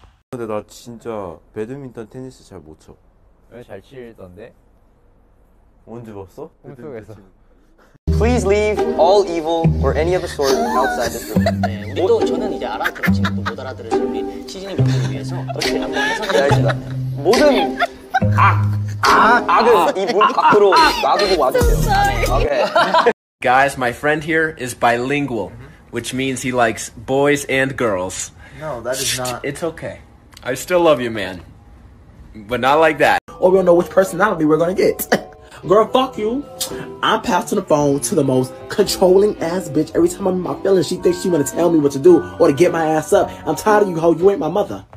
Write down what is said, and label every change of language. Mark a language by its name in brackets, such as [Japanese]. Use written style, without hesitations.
[Korean] 근데 나 진짜 배드민턴 테니스 잘 못 쳐. 왜 잘 치던데? 언제 봤어? 꿈속에서. [English] Please leave all evil or any of the sort outside this room. [Korean] 네, 우리 또 저는 이제 알아들었지만 또 못 알아들었지만 우리 시즈닝 명령을 위해서 어떻게 한번 해서 모든 악을 이 물 밖으로 막으고 와주세요. [English] I'm sorry. Okay. Guys, my friend here is bilingual, which means he likes boys and girls. No, that is not. It's okay. I still love you, man. But not like that. Or we don't know which personality we're gonna get. Girl, fuck you. I'm passing the phone to the most controlling ass bitch. Every time I'm in my feelings, she thinks she's gonna tell me what to do or to get my ass up. I'm tired of you, hoe. You ain't my mother.